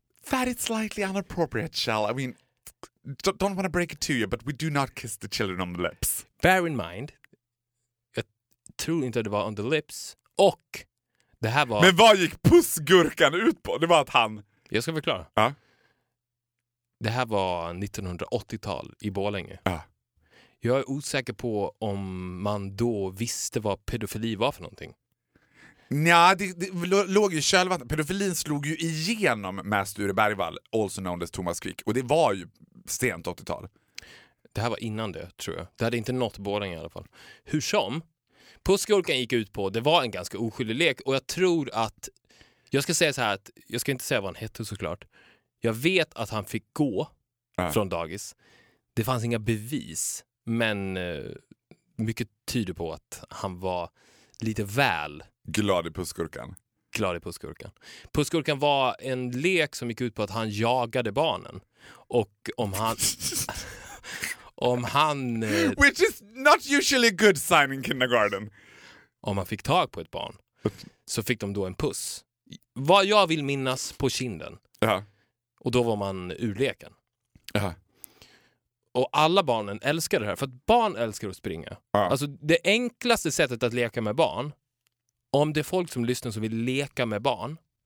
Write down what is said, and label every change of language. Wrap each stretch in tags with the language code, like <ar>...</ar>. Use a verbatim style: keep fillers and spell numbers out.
<en>That is slightly inappropriate, Shell. I mean, don't want to break it to you, but we do not kiss the children on the lips. Bear in mind...</en> <sv>tror inte att det var</sv> <en>on the lips.</en> <sv>Och det här var... Men vad gick pussgurkan ut på? Det var att han... Jag ska förklara. Ja. Det här var nittonhundraåttiotal i Borlänge. Ja. Jag är osäker på om man då visste vad pedofili var för någonting. Nja, det, det låg ju själva... Pedofilin slog ju igenom med Sture Bergvall,</sv> <en>also known as</en> <sv>Thomas Quick. Och det var ju sent åttiotal. Det här var innan det, tror jag. Det hade inte nått Borlänge i alla fall. Hur som... Pussgurkan gick ut på, det var en ganska oskyldig lek och jag tror att, jag ska säga så här att, jag ska inte säga vad han hette såklart. Jag vet att han fick gå äh. från dagis. Det fanns inga bevis, men eh, mycket tyder på att han var lite väl glad i pussgurkan. Glad i pussgurkan. Pussgurkan var en lek som gick ut på att han jagade barnen. Och om han... om han... Eh,</sv> <en>Which is not usually a good sign in kindergarten.</en> <sv>Om han fick tag på ett barn så fick de då en puss. Vad jag vill minnas på kinden. Uh-huh. Och då var man ur leken. Uh-huh. Och alla barnen älskar det här. För att barn älskar att springa. Ja. Alltså det enklaste sättet att leka med barn. Om det är folk som lyssnar som vill leka med barn.</sv>